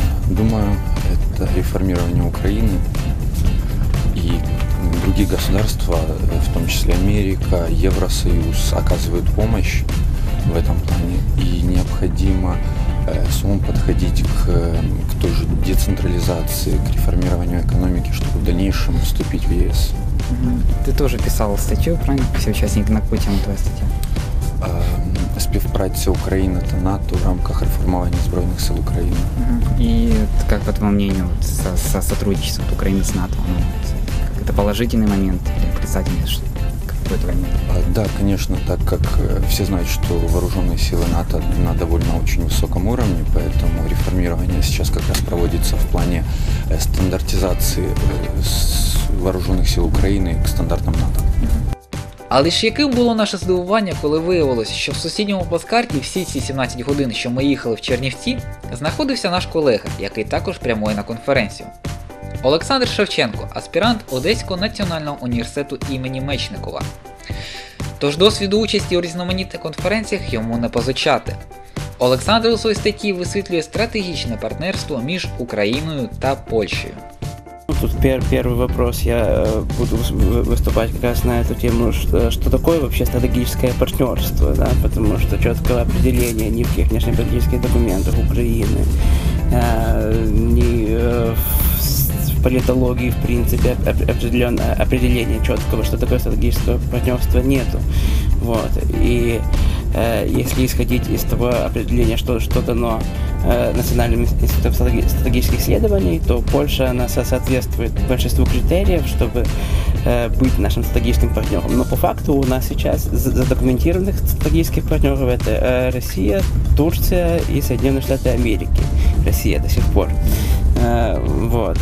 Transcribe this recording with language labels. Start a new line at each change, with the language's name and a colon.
Russian: Думаю, это реформирование Украины и другие государства, в том числе Америка, Евросоюз, оказывают помощь в этом плане. И необходимо самому подходить к той же децентрализации, к реформированию экономики, чтобы в дальнейшем вступить в ЕС. Ты тоже писал статью, правильно? Все участники на Путина, твоя статья.
Ukrainian: Співпраця України та НАТО в рамках реформування Збройних сил України. І як, по твоєму
Russian: мнению, сотрудничество
Ukrainian: України з НАТО?
Russian: Это положительный момент или отрицательный какой-то момент? Да, конечно, так как все знают, что вооруженные силы НАТО на довольно очень высоком уровне, поэтому реформирование сейчас как раз проводится в плане стандартизации вооруженных сил Украины к стандартам НАТО.
Ukrainian: Але ж яким було наше здивування, коли виявилось, що в сусідньому плацкарті всі ці 17 годин, що ми їхали в Чернівці, знаходився наш колега, який також прямує на конференцію. Олександр Шевченко, аспірант Одеського національного університету імені Мечникова. Тож досвіду участі у різноманітних конференціях йому не позичати. Олександр у своїй статті висвітлює стратегічне партнерство між Україною та Польщею. Тут перший вопрос, я буду виступати якраз на цю тему, що таке взагалі стратегічне партнерство, да? Тому що чіткого определення ні в яких внешньополітичних документах України,
Russian: ні в политологии, в принципе, определенное определение четкого, что такое стратегическое партнерство, нету. Вот. И если исходить из того определения, что дано Национальным институтом стратегических исследований, то Польша, она соответствует большинству критериев, чтобы быть нашим стратегическим партнером. Но по факту у нас сейчас задокументированных стратегических партнеров это Россия, Турция и Соединенные Штаты Америки. Россия до сих пор. Вот.